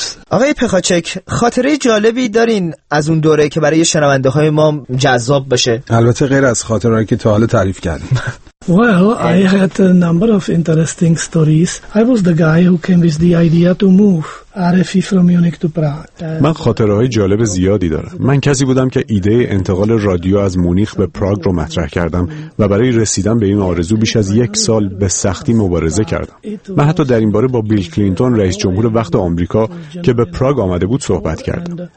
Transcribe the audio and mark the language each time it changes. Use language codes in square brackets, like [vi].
[fa] آقای پخاچک، خاطره جالبی دارین از اون دوره که برای شنونده های ما جذاب بشه؟ البته غیر از خاطرهایی که تا حالا تعریف کردیم. [en] I had a number of interesting stories. I was the guy who came with the idea to move RFI from Munich to Prague. [fa] من خاطره های جالب زیادی دارم. من کسی بودم که ایده انتقال رادیو از مونیخ به پراگ رو مطرح کردم و برای رسیدن به این آرزو بیش از یک سال به سختی مبارزه کردم. من حتی در این باره با بیل کلینتون رئیس جمهور وقت آمریکا که به پراگ آمده بود صحبت کردم.